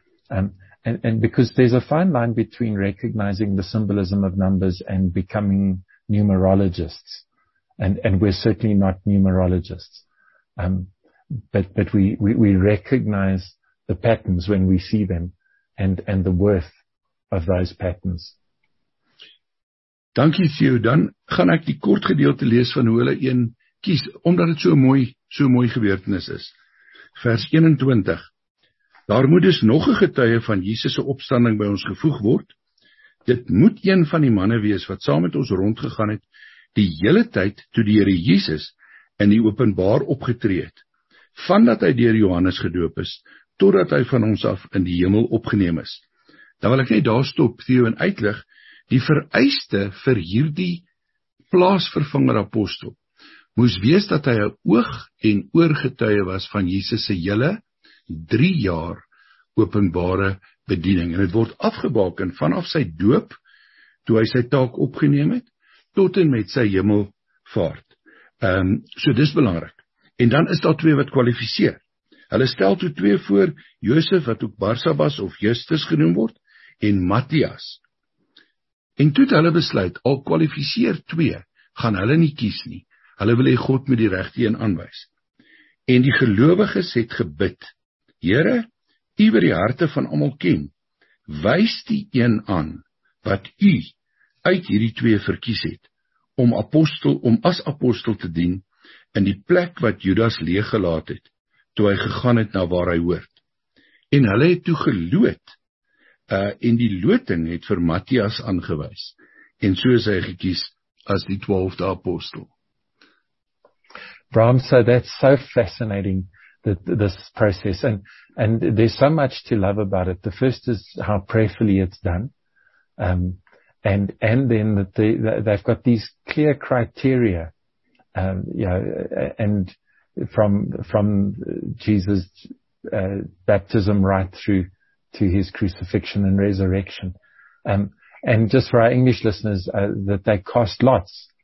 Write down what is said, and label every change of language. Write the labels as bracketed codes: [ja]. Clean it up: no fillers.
[en] And because there's a fine line between recognizing the symbolism of numbers and becoming numerologists. And we're certainly not numerologists. But we recognize the patterns when we see them and the worth of those patterns. [af] Dankie Theo. Dan gaan ek die kort gedeelte lees van hoe hulle een kies, omdat het so mooi gebeurtenis is. Vers 21. Daar moet dus nog een getuie van Jesus' opstanding by ons gevoeg word. Dit moet een van die manne wees wat saam met ons rondgegaan het die hele tyd toe die Here Jesus in die openbaar opgetree het, vandat hy deur Johannes gedoop is, totdat hy van ons af in die hemel opgeneem is. Dan wil ek net daar stop, Theo, en uitlig, die vereiste vir hierdie plaasvervanger apostel moes wees dat hy 'n oog en oorgetuie was van Jesus se hele 3 jaar openbare bediening, en het word afgebaken vanaf sy doop, toe hy sy taak opgeneem het, tot en met sy hemelvaart. So dis belangrik. En dan is daar 2 wat kwalificeer. Hulle stel toe 2 voor, Josef, wat ook Barsabas of Justus genoem word, en Matthias. En toe het hulle besluit, al kwalificeer 2, gaan hulle nie kies nie. Hulle wil hê God met die regte een aanwys. En die gelowiges het gebid, Here, U wat die harte van almal ken, wys die een aan wat U uit hierdie 2 verkies het om as apostel te dien in die plek wat Judas leeggelaat het toe hy gegaan het na waar hy hoort. En hulle het toe geloot, en die loting het vir Matthias aangewys, en so is hy gekies as die 12de apostel. [en] Bram, so that's so fascinating, this process, and there's so much to love about it. The first is how prayerfully it's done, and then they've got these clear criteria, and from Jesus' baptism right through to his crucifixion and resurrection, and just for our English listeners, that they cast lots.